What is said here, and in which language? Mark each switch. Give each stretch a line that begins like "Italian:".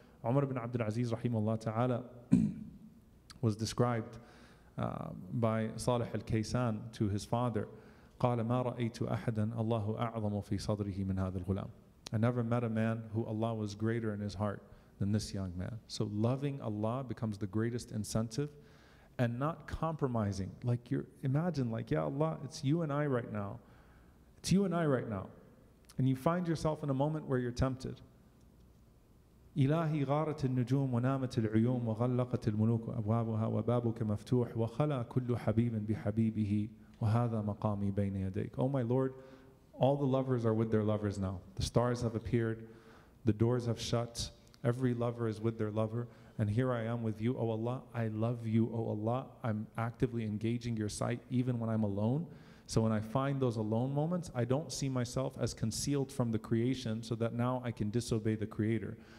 English: Umar ibn Abdul Aziz rahimahullah ta'ala was described by Salih al-Kaysan to his father,
Arabic: قَالَ مَا رَأَيْتُ أَحَدًا أَلَّهُ أَعْظَمُ فِي صَدْرِهِ مِنْ هَذَا الْغُلَامِ.
English: I never met a man who Allah was greater in his heart than this young man. So loving Allah becomes the greatest incentive, and not compromising. Like, you imagine, like, yeah, Allah, it's You and I right now. It's You and I right now. And you find yourself in a moment where you're tempted.
Arabic: إلهي غارت النجوم ونامت العيون وغلقت الملوك أبوابها وبابك مفتوح وخلا كل حبيب بحبيبه وهذا مقامي بين يديك.
English: Oh my Lord, all the lovers are with their lovers now. The stars have appeared, the doors have shut, every lover is with their lover, and here I am with you, O Allah. I love you, O Allah. I'm actively engaging your sight even when I'm alone. So when I find those alone moments, I don't see myself as concealed from the creation so that now I can disobey the Creator.